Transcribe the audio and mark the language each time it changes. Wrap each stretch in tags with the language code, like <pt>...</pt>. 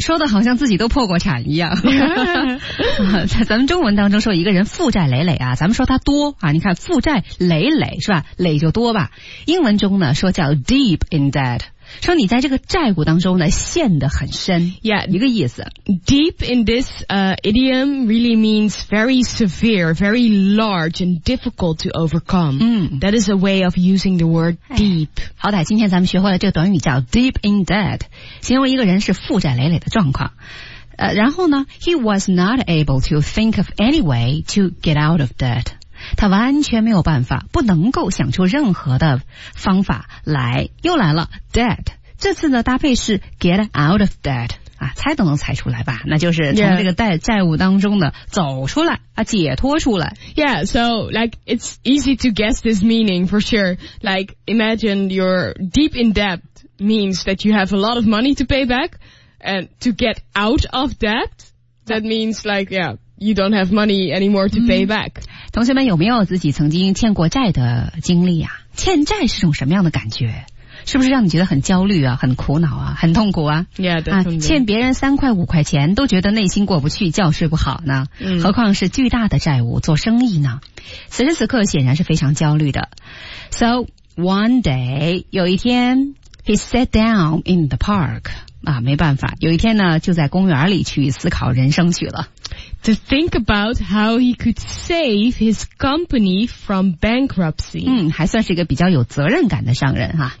<zh>说的好像自己都破过产一样。在咱们中文当中说一个人负债累累啊，咱们说他多啊。你看负债累累是吧？累就多吧。英文中呢说叫</zh> <en>deep in debt。</en> <zh>说你在这个债务当中呢陷得很深。</zh> <en>Yeah,</en> <zh>一个意思。</zh> <en>Deep in this, idiom really means very severe, very large and difficult to overcome. That is a way of using the word deep.、</en> <zh>哎、好歹今天咱们学会了这个短语叫</zh> <en>deep in debt,</en> <zh>形容一个人是负债累累的状况。然后呢</zh> <en>,he was not able to think of any way to get out of debt.</en> <zh>他完全没有办法，不能够想出任何的方法来，又来了 debt, 这次呢搭配是</zh> <en>get out of debt,</en> <zh>啊猜都能猜出来吧，那就是从这个债务当中呢走出来啊，解脱出来。</zh> <en>Yeah, so like it's easy to guess this meaning for sure, like imagine you're deep in debt means that you have a lot of money to pay back, and to get out of debt, that means like, yeah,You don't have money anymore to pay back.、嗯、</en> <zh>同学们有没有自己曾经欠过债的经历啊？欠债是种什么样的感觉？是不是让你觉得很焦虑啊，很苦恼啊，很痛苦啊？</zh> <en>Yeah, definitely.</en> <zh>啊，欠别人三块五块钱都觉得内心过不去，觉睡不好呢、嗯、何况是巨大的债务做生意呢？此时此刻显然是非常焦虑的。</zh> <en>So one day,</en> <zh>有一天</zh> <en>he sat down in the park.</en> <zh>啊，没办法，有一天呢就在公园里去思考人生去了。</zh> <en>To think about how he could save his company from bankruptcy.</en> <zh>嗯，还算是一个比较有责任感的商人哈。</zh>